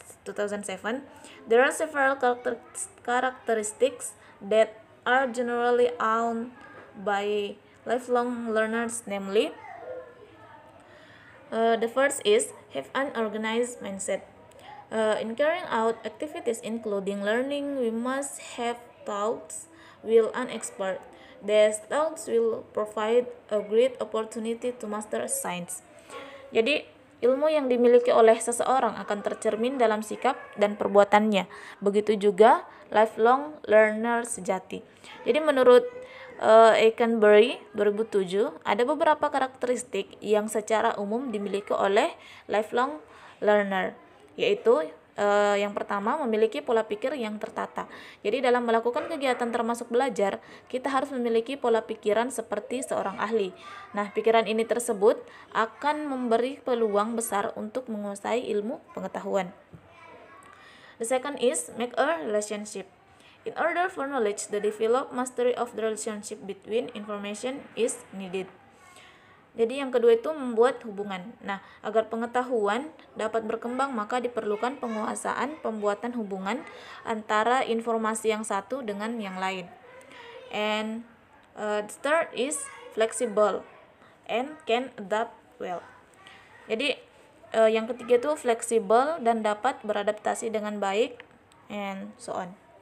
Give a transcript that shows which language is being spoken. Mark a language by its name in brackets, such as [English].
[English] There are several characteristics that are generally owned by lifelong learners, namely, the first is, have an organized mindset. In carrying out activities including learning, we must have thoughts with an expert. These thoughts will provide a great opportunity to master science. [Indonesian] Jadi, ilmu yang dimiliki oleh seseorang akan tercermin dalam sikap dan perbuatannya. Begitu juga lifelong learner sejati. Jadi, menurut Aikenberry 2007, ada beberapa karakteristik yang secara umum dimiliki oleh lifelong learner, yaitu Yang pertama, memiliki pola pikir yang tertata. Jadi dalam melakukan kegiatan termasuk belajar, kita harus memiliki pola pikiran seperti seorang ahli. Nah, pikiran ini tersebut akan memberi peluang besar untuk menguasai ilmu pengetahuan. [English] The second is make a relationship. In order for knowledge, the develop mastery of the relationship between information is needed. [Indonesian] Jadi yang kedua itu membuat hubungan. Nah, agar pengetahuan dapat berkembang, maka diperlukan penguasaan pembuatan hubungan antara informasi yang satu dengan yang lain. [English] And the third is flexible and can adapt well. [Indonesian] Jadi yang ketiga itu flexible dan dapat beradaptasi dengan baik, [English] and so on.